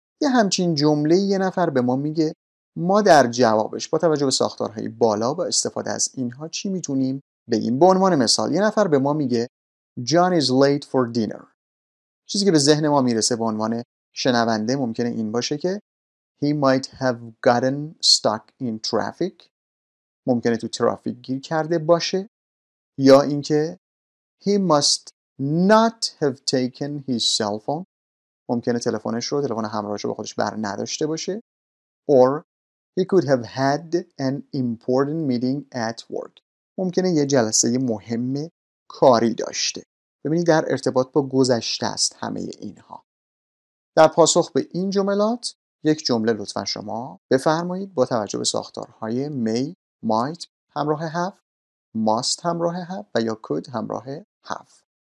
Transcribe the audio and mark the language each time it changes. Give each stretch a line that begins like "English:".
Persian: یه همچین جمله یه نفر به ما میگه، ما در جوابش با توجه به ساختارهای بالا با استفاده از اینها چی میتونیم بگیم؟ به عنوان مثال یه نفر به ما میگه
English: John is late for dinner.
Persian: چیزی که به ذهن ما میرسه به عنوان شنونده ممکنه این باشه که
English: He might have gotten stuck in traffic.
Persian: ممکنه تو ترافیک گیر کرده باشه. یا اینکه
English: He must not have taken his cell phone.
Persian: ممکنه تلفنش رو تلفن همراهش رو به خودش بر نداشته باشه.
English: Or He could have had an important meeting at work.
Persian: ممکنه یه جلسه مهمه کاری داشته. ببینید در ارتباط با گذشته است همه اینها. در پاسخ به این جملات یک جمله لطفا شما بفرمایید با توجه به ساختارهای may, might همراه have، must همراه have و یا could همراه have.